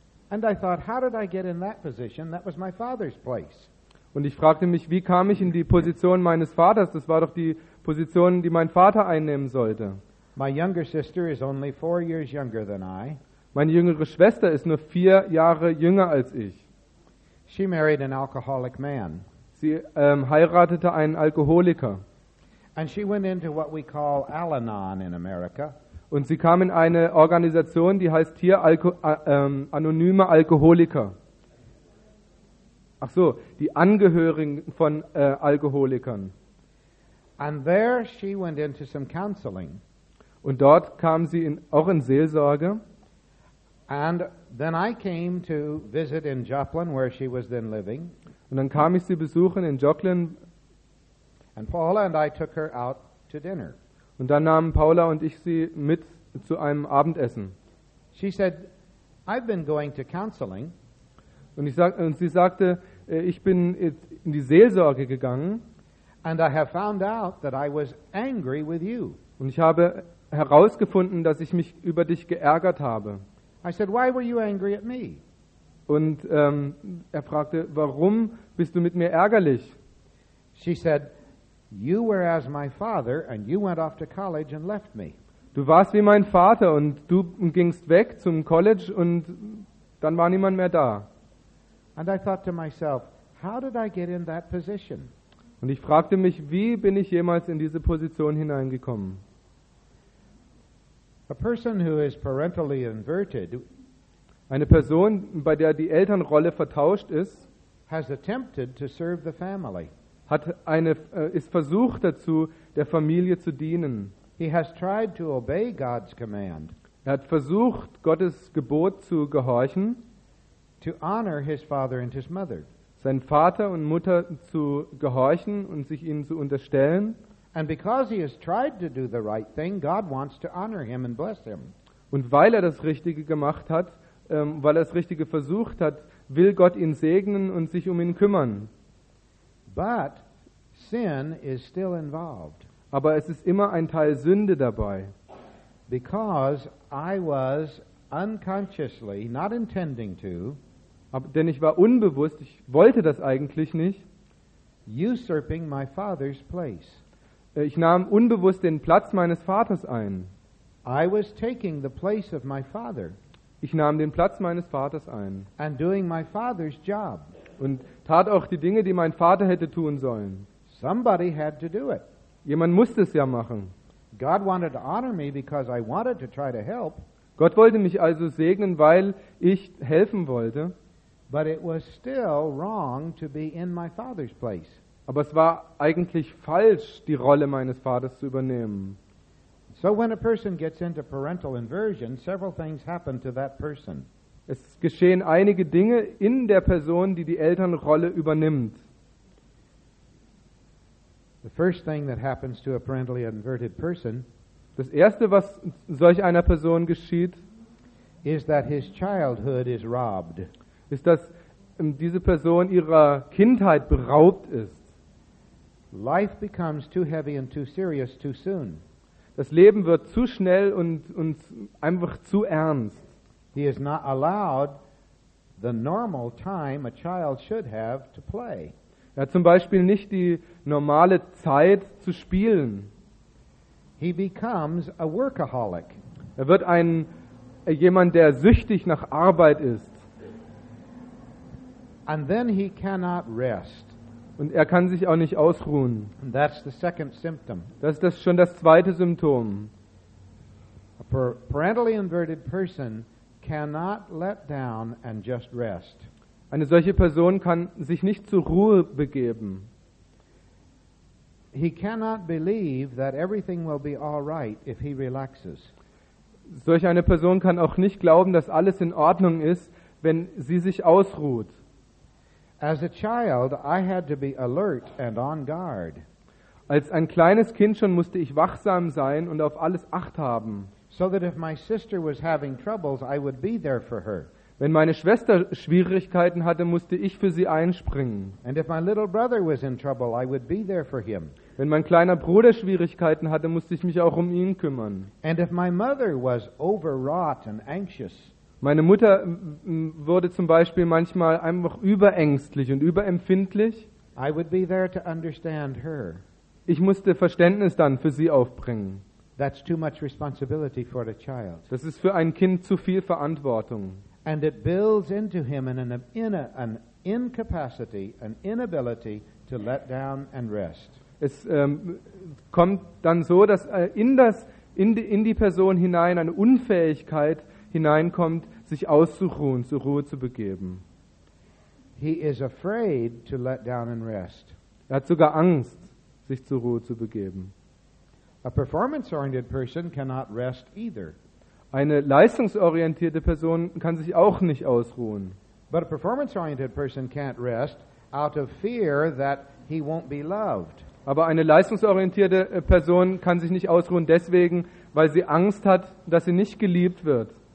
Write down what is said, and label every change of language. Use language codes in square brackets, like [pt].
[en] And I thought, how did I get in that position? That was my father's place. [de] Und ich fragte mich, wie kam ich in die Position meines Vaters? Das war doch die Position, die mein Vater einnehmen sollte. [en] My younger sister is only 4 years younger than I. [de] Meine jüngere Schwester ist nur 4 Jahre jünger als ich. [en] She married an alcoholic man. [de] Sie heiratete einen Alkoholiker. [en] And she went into what we call Al-Anon in America. [de] Und sie kam in eine Organisation, die heißt hier Anonyme Alkoholiker. Ach so, die Angehörigen von Alkoholikern. [en] And there she went into some counseling. [de] Und dort kam sie auch in Seelsorge. [en] And then I came to visit in Joplin, where she was then living. [de] Und dann kam ich sie besuchen in Joplin. [en] And Paula and I took her out to dinner. [de] Und dann nahmen Paula und ich sie mit zu einem Abendessen. [en] She said, I've been going to counseling. [de] Und sie sagte, ich bin jetzt in die Seelsorge gegangen. [en] And I have found out that I was angry with you. [de] Und ich habe herausgefunden, dass ich mich über dich geärgert habe. [en] I said, why were you angry at me? [de] Und er fragte, warum bist du mit mir ärgerlich? [en] She said, you were as my father and you went off to college and left me. [de] Du warst wie mein Vater und du gingst weg zum College und dann war niemand mehr da. [en] And I thought to myself, how did I get in that position? [de] Und ich fragte mich, wie bin ich jemals in diese Position hineingekommen? [en] A person who is parentally inverted, [de] eine Person, bei der die Elternrolle vertauscht ist, [en] has attempted to serve the family. [de] Ist versucht dazu, der Familie zu dienen. [en] He has tried to obey God's command. [de] Er hat versucht, Gottes Gebot zu gehorchen, [en] to honor his father and his mother. [de] Seinen Vater und Mutter zu gehorchen und sich ihnen zu unterstellen. [en] And because he has tried to do the right thing, God wants to honor him and bless him. [de] Und weil er das Richtige gemacht hat, weil er das Richtige versucht hat, will Gott ihn segnen und sich um ihn kümmern. [en] But sin is still involved. [de] Aber es ist immer ein Teil Sünde dabei. [en] Because I was unconsciously, not intending to, [de] denn ich war unbewusst, ich wollte das eigentlich nicht, [en] usurping my father's place. [de] Ich nahm unbewusst den Platz meines Vaters ein. [en] I was taking the place of my father. [de] Ich nahm den Platz meines Vaters ein. [en] And doing my father's job. [de] Und tat auch die Dinge, die mein Vater hätte tun sollen. [en] Somebody had to do it. [de] Jemand musste es ja machen. [en] God wanted to honor me because I wanted to try to help. [de] Gott wollte mich also segnen, weil ich helfen wollte. [en] But it was still wrong to be in my father's place. [de] Aber es war eigentlich falsch, die Rolle meines Vaters zu übernehmen. [en] So when a person gets into parental inversion, several things happen to that person. [de] Es geschehen einige Dinge in der Person, die die Elternrolle übernimmt. [en] The first thing that happens to a parentally inverted person, [de] das erste, was solch einer Person geschieht, [en] is that his childhood is robbed. [de] Ist, dass diese Person ihrer Kindheit beraubt ist. [en] Life becomes too heavy and too serious too soon. [de] Das Leben wird zu schnell und einfach zu ernst. [en] He is not allowed the normal time a child should have to play. [de] Er hat zum Beispiel nicht die normale Zeit zu spielen. [en] He becomes a workaholic. [de] Er wird jemand, der süchtig nach Arbeit ist. [en] And then he cannot rest. [de] Und er kann sich auch nicht ausruhen. [en] That's the second symptom. [de] Das ist schon das zweite Symptom. [en] A parentally inverted person cannot let down and just rest. [de] Eine solche Person kann sich nicht zur Ruhe begeben. [en] He cannot believe that everything will be all right if he relaxes. [de] Solch eine Person kann auch nicht glauben, dass alles in Ordnung ist, wenn sie sich ausruht. [en] As a child, I had to be alert and on guard. [de] Als ein kleines Kind schon musste ich wachsam sein und auf alles Acht haben. [en] So that if my sister was having troubles, I would be there for her. [de] Wenn meine Schwester Schwierigkeiten hatte, musste ich für sie einspringen. [en] And if my little brother was in trouble, I would be there for him. [de] Wenn mein kleiner Bruder Schwierigkeiten hatte, musste ich mich auch um ihn kümmern. [en] And if my mother was overwrought and anxious. [de] Meine Mutter wurde zum Beispiel manchmal einfach überängstlich und überempfindlich. [en] I would be there to understand her. [de] Ich musste Verständnis dann für sie aufbringen. [en] That's too much responsibility for a child. [de] Das ist für ein Kind zu viel Verantwortung. [en] And it builds into him an incapacity, an inability to let down and rest. [de] Es kommt dann so, dass in die Person hinein eine Unfähigkeit hineinkommt, sich auszuruhen, zur Ruhe zu begeben. [en] He is afraid to let down and rest. [de] Er hat sogar Angst, sich zur Ruhe zu begeben. [en] A performance-oriented person cannot rest either. [de] Eine leistungsorientierte Person kann sich auch nicht ausruhen. [en] But a performance-oriented person can't rest out of fear that he won't be loved. [de] Aber eine leistungsorientierte Person kann sich nicht ausruhen deswegen, weil sie Angst hat, dass sie nicht geliebt wird.